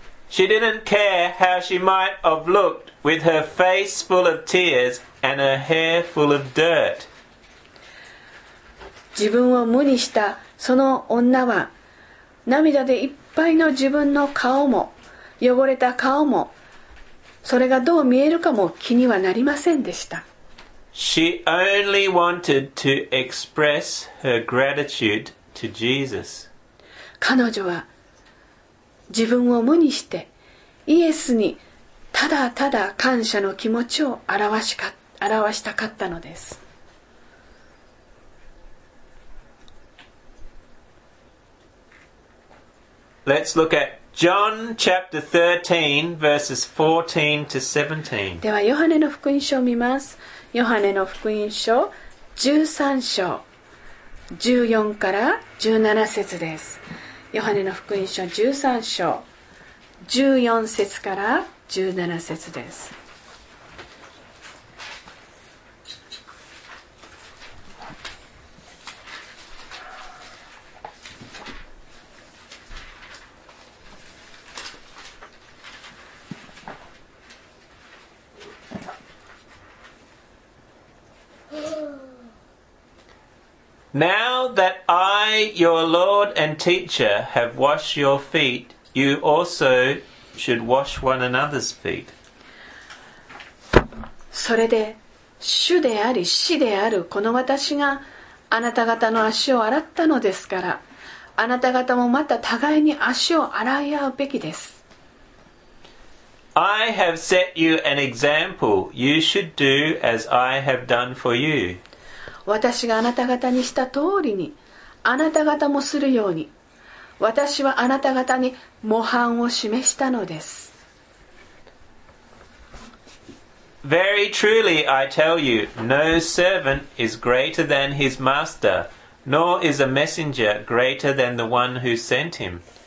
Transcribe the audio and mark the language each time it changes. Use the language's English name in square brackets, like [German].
[English] She didn't care how she might have looked with her face full of tears and her hair full of dirt. [Japanese] 自分を無にしたその女は、涙でいっぱいの自分の顔も、汚れた顔も、それがどう見えるかも気にはなりませんでした。 [English] She only wanted to express her gratitude to Jesus. [Japanese] 彼女は自分を無にしてイエスにただただ感謝の気持ちを表したかったのです。 [English] Let's look at John chapter 13, verses 14 to 17. [Japanese] では、ヨハネの福音書を見ます。ヨハネの福音書13章、14から17節です。ヨハネの福音書13章、14節から17節です。 [English] Now that I, your Lord and teacher, have washed your feet, you also should wash one another's feet. [Japanese] それで、主であり、師であるこの私があなた方の足を洗ったのですから、あなた方もまた互いに足を洗い合うべきです。 [English] I have set you an example. You should do as I have done for you. [Japanese] 私があなた方にした通りにあなた方もするように私はあなた方に模範を示したのです [English] Very truly I tell you no servant is greater than his master nor is a messenger greater than the one who sent him